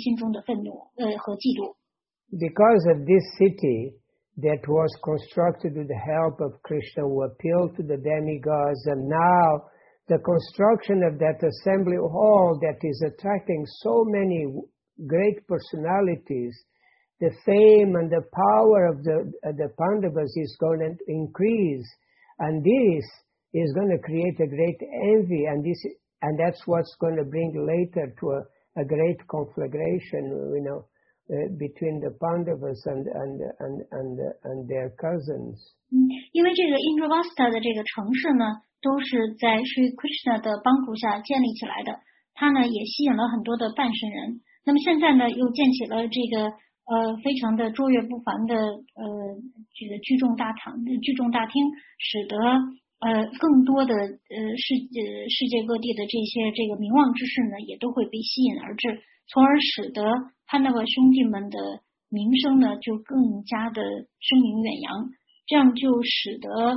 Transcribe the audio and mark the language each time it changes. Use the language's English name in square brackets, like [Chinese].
[Chinese] 所以呢，就围绕着这个聚会的大厅来展开了所有的一些事情，因为要通过这个大厅呢，就通过这个聚会的这个大堂呢，会吸引很多的德高望重的人士，这是第一。还有呢，就是会激起人们内心中的这种愤怒啊、嫉妒啊，它将会很大的激起杜尔的内心中的愤怒和嫉妒。 [English] Because of this city that was constructed with the help of Krishna, who appealed to the demigods, and now the construction of that assembly hall that is attracting so many great personalities, the fame and the power of the Pandavas is going to increase, and this is going to create a great envy, and that's what's going to bring later to a great conflagration, you know, between the Pandavas and their cousins. [Chinese] 因为这个 Indravastha 的这个城市呢。都是在 Sri Krishna 的帮助下建立起来的，他呢也吸引了很多的伴神人。那么现在呢，又建起了这个非常的卓越不凡的这个聚众大厅，使得更多的世界各地的这些这个名望之士呢，也都会被吸引而至，从而使得潘那个兄弟们的名声呢就更加的声名远扬，这样就使得